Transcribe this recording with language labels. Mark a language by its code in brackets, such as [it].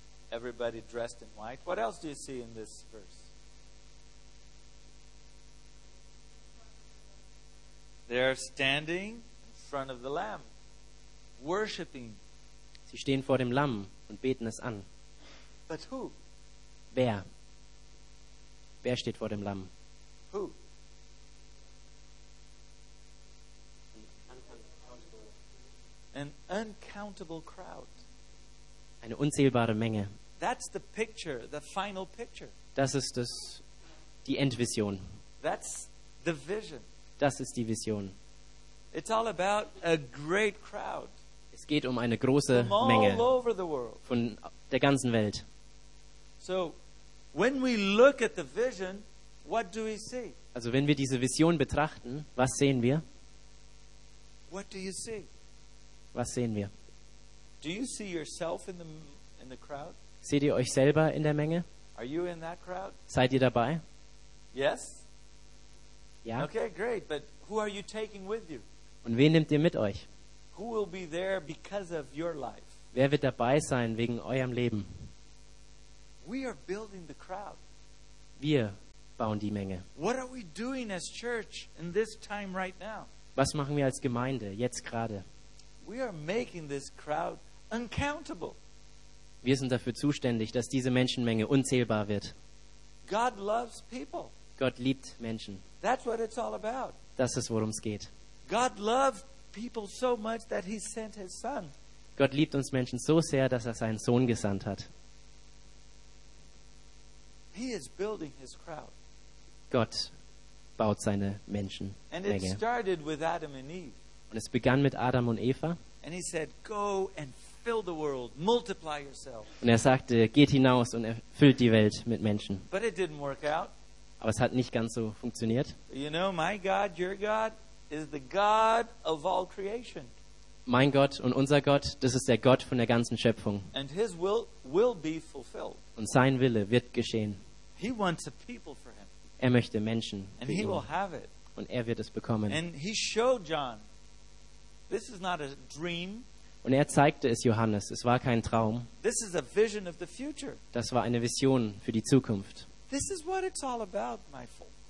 [en] Everybody dressed in white. What else do you see in this verse? They're standing in front of the Lamb, worshiping. [de] Sie stehen vor dem Lamm und beten es an. [en] But who? [de] Wer? Wer steht vor dem Lamm? [en] Who? An uncountable crowd. [de] Eine unzählbare Menge. [en] That's the picture, the final picture. [de] Das ist das, die Endvision. [en] That's the vision. [de] Das ist die Vision. [en] It's all about a great crowd. [de] Es geht um eine große [en] From [de] Menge [en] all over the world. [de] Von der ganzen Welt. [en] So, when we look at the vision, what do we see? [de] Also wenn wir diese Vision betrachten, was sehen wir? [en] What do you see? [de] Was sehen wir? [en] Do you see yourself in the crowd? [de] Seht ihr euch selber in der Menge? [en] Are you in that crowd? [de] Seid ihr dabei? [en] Yes. [de] Ja. [en] Okay, great. But who are you taking with you? [de] Und wen nehmt ihr mit euch? [en] Who will be there because of your life? [de] Wer wird dabei sein wegen eurem Leben? [en] We are building the crowd. [de] Wir bauen die Menge. [en] What are we doing as church in this time right now? [de] Was machen wir als Gemeinde jetzt gerade? [en] We are making this crowd uncountable. [de] Wir sind dafür zuständig, dass diese Menschenmenge unzählbar wird. [en] God loves people. [de] Gott liebt Menschen. [en] That's what it's all about. [de] Das ist, worum es geht. [en] God loved people so much that he sent his son. [de] Gott liebt uns Menschen so sehr, dass er seinen Sohn gesandt hat. [en] He is building his crowd. [de] Gott baut seine Menschenmenge. [en] And it started with Adam and Eve. [de] Und es begann mit Adam und Eva. [en] And he said, "Go and fill the world, multiply yourself." [de] Und er sagte, geht hinaus und erfüllt die Welt mit Menschen. [en] But it didn't work out. [de] Aber es hat nicht ganz so funktioniert. [en] You know, my God, your God is the God of all creation. [de] Mein Gott und unser Gott, das ist der Gott von der ganzen Schöpfung. [en] And his will be fulfilled. [de] Und sein Wille wird geschehen. [en] He wants a people for him. [de] Er möchte Menschen für [en] and he [de] ihn. [en] Will have it. [de] Und er wird es bekommen. [en] And he showed John, this is not a dream. [de] Und er zeigte es Johannes, es war kein Traum. [en] This is a vision of the future. [de] Das war eine Vision für die Zukunft. [en] This is what it's all about, my folks.